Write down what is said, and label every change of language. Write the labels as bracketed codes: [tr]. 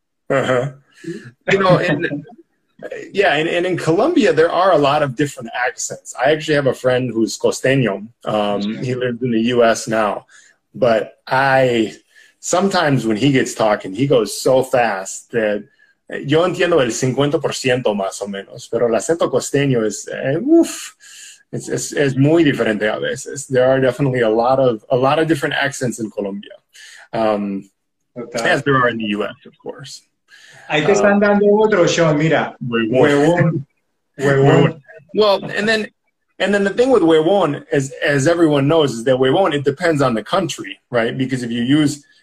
[en] You know, and, yeah, and in Colombia there are a lot of different accents. I actually have a friend who's costeño. He lives in the U.S. now, but I sometimes when he gets talking, he goes so fast that. [es] Yo entiendo el 50% más o menos, pero el acento costeño es, uff, es muy diferente a veces. [en] There are definitely a lot of different accents in Colombia, okay. As there are in the U.S., of course. [es] Ahí te están dando otro, Sean, mira. Huevón. [en] Well, and then the thing with huevón, as everyone knows, is that huevón, it depends on the country, right? Because if you use...